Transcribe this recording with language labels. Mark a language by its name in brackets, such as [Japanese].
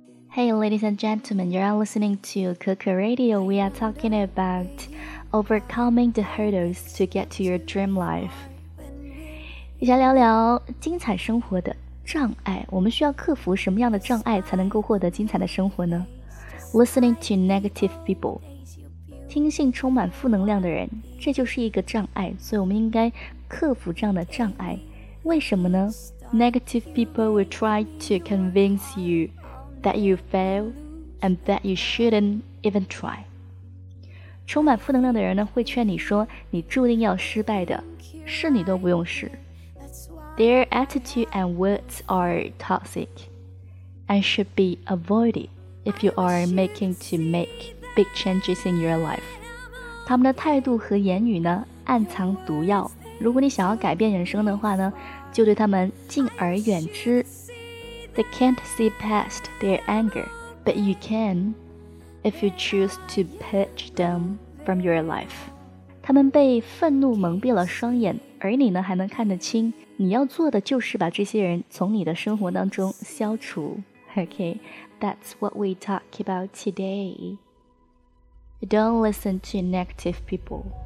[English] Hey, ladies and gentlemen, you're listening to Coco Radio. We are talking about overcoming the hurdles to get to your dream life. [Chinese] 一起来聊聊精彩生活的障碍。我们需要克服什么样的障碍才能够获得精彩的生活呢？ [English] Listening to negative people. [Chinese] 听信充满负能量的人，这就是一个障碍，所以我们应该克服这样的障碍。为什么呢？ [English] Negative people will try to convince youThat you fail and that you shouldn't even try. [Chinese] 充满负能量的人呢，会劝你说你注定要失败的，试你都不用试。 [English] Their attitude and words are toxic and should be avoided if you are making to make big changes in your life. [Chinese] 他们的态度和言语呢，暗藏毒药。如果你想要改变人生的话呢，就对他们敬而远之。 [English] They can't see past their anger, but you can if you choose to purge them from your life. [Chinese] 他们被愤怒蒙蔽了双眼，而你呢还能看得清。你要做的就是把这些人从你的生活当中消除。 [English] Okay, that's what we talk about today. Don't listen to negative people.